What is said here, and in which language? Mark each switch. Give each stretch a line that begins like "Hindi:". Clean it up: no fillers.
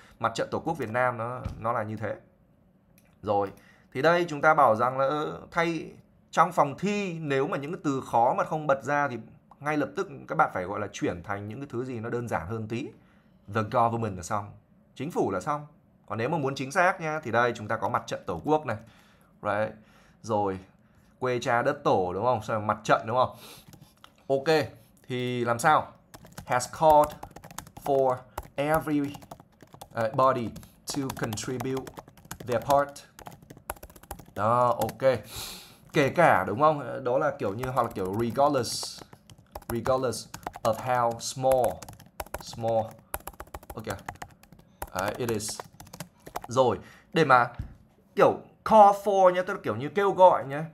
Vietnamese: Mặt trận Tổ quốc Việt Nam nó là như thế. Rồi, thì đây chúng ta bảo rằng là thay trong phòng thi, nếu mà những cái từ khó mà không bật ra thì ngay lập tức các bạn phải gọi là chuyển thành những cái thứ gì nó đơn giản hơn tí.
English: The government
Vietnamese: là xong, chính phủ là xong. Còn nếu mà muốn chính xác nha, thì đây chúng ta có mặt trận Tổ quốc này.
English: Right.
Vietnamese: Rồi, quê cha đất tổ đúng không? Sao mặt trận đúng không? Ok, thì làm sao?
English: Has called for every body to contribute their part
Vietnamese: Đó, ok. Kể cả đúng không? Đó là kiểu như hoặc là kiểu
English: regardless of how small.
Vietnamese: Ok.
English: It is.
Vietnamese: Rồi, để mà kiểu call for nhé, tức là kiểu như kêu gọi nhé.